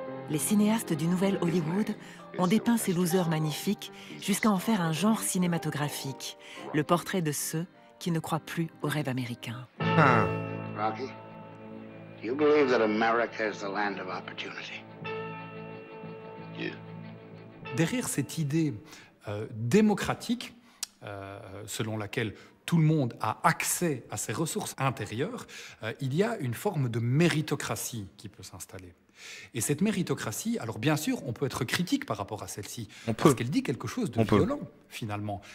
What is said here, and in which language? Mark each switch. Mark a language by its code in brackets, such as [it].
[fr] Les cinéastes du Nouvel Hollywood ont dépeint ces losers magnifiques jusqu'à en faire un genre cinématographique, le portrait de ceux qui ne croient plus au rêve américain. [en] Rocky, do you believe that America is the land of opportunity? Yeah. [fr] Derrière cette idée démocratique, selon laquelle tout le monde a accès à ses ressources intérieures, il y a une forme de méritocratie qui peut s'installer. Et cette méritocratie, alors bien sûr, on peut être critique par rapport à celle-ci, parce qu'elle dit quelque chose de violent, finalement.